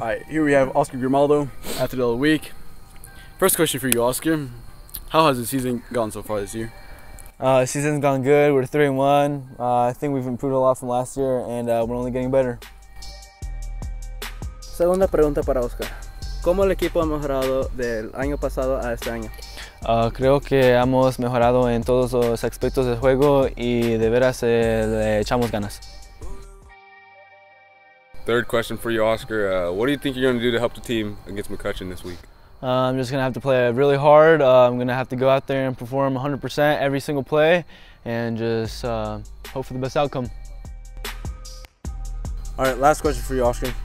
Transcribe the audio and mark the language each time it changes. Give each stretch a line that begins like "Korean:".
English: We have Oscar Grimaldo, Athlete of the Week. First question for you, Oscar. How has the season gone so far this year? Season's gone good. We're 3-1. I think we've improved a lot from last year, and we're only getting better.
Spanish: Segunda pregunta para Oscar. ¿Cómo el equipo ha mejorado del año pasado a este año? Creo que hemos mejorado en todos los aspectos del juego y de veras le echamos ganas.
English: Third question for you, Oscar. What do you think you're going to do to help the team against McCutcheon this week? I'm just going to have to play really hard. I'm going to have to go out there and perform 100% every single play and just hope for the best outcome. All right, last question for you, Oscar.